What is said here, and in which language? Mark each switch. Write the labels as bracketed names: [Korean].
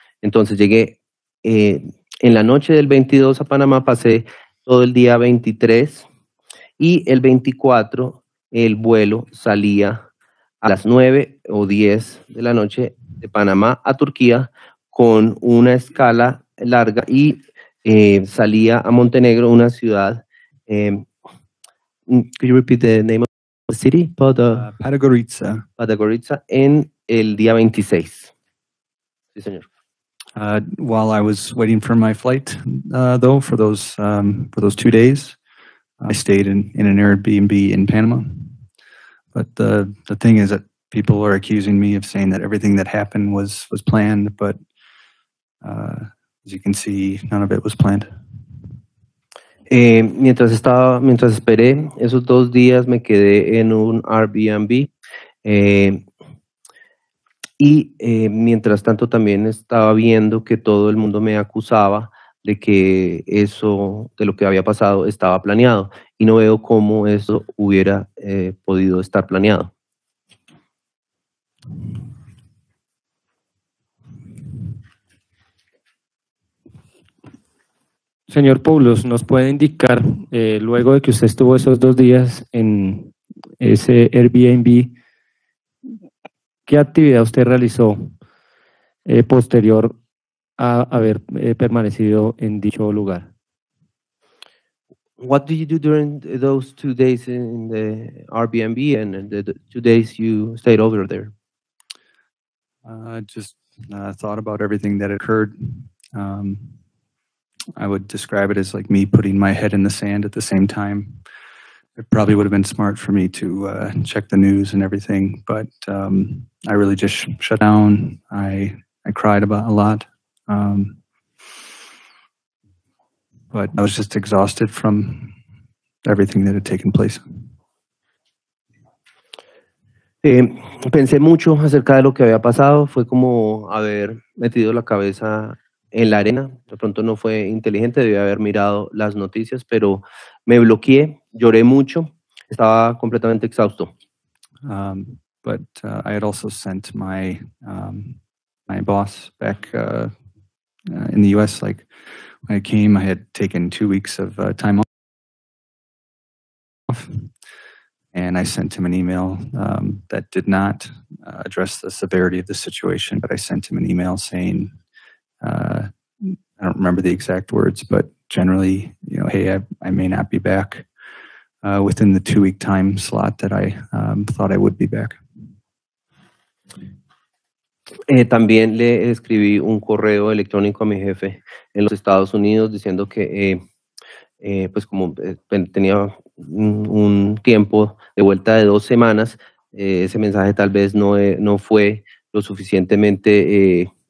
[Spanish] Entonces llegué en la noche del 22 a Panamá, pasé todo el día 23, y el 24 el vuelo salía a las 9 o 10 de la noche de Panamá a Turquía con una escala larga y Salía a Montenegro, una ciudad. [English] Could you repeat the name of the city? [Spanish] Podgorica. Podgorica, en el día 26. Sí, señor. [English] While I was waiting for my flight, though, for those 2 days, I stayed in an Airbnb in Panama. But the thing is that people are accusing me of saying that everything that happened was planned, but as you can see, none of it was planned. [Spanish] Mientras esperé esos 2 días, me quedé en un Airbnb. Mientras tanto, también estaba viendo que todo el mundo me acusaba de que eso, de lo que había pasado, estaba planeado. Y no veo cómo eso hubiera podido estar planeado. Señor Poulos, ¿nos puede indicar, luego de que usted estuvo esos 2 días en ese Airbnb, qué actividad usted realizó posterior a haber permanecido en dicho lugar? [English] What did you do during those 2 days in the Airbnb and the 2 days you stayed over there? I thought about everything that occurred. I would describe it as like me putting my head in the sand at the same time. It probably would have been smart for me to check the news and everything, but I really just shut down. I cried about a lot. But I was just exhausted from everything that had taken place. [Spanish] Pensé mucho acerca de lo que había pasado. Fue como haber metido la cabeza en la arena. De pronto no fue inteligente, debía haber mirado las noticias, pero me bloqueé, lloré mucho, estaba completamente exhausto. [English] But I had also sent my my boss back in the US. Like when I came, I had taken 2 weeks of time off, and I sent him an email that did not address the severity of the situation, but I sent him an email saying, I don't remember the exact words, but generally, you know, hey, I may not be back within the 2 week time slot that I thought I would be back. [Spanish] También le escribí un correo electrónico a mi jefe en los Estados Unidos diciendo que, pues como tenía un tiempo de vuelta de 2 semanas, ese mensaje tal vez no fue lo suficientemente.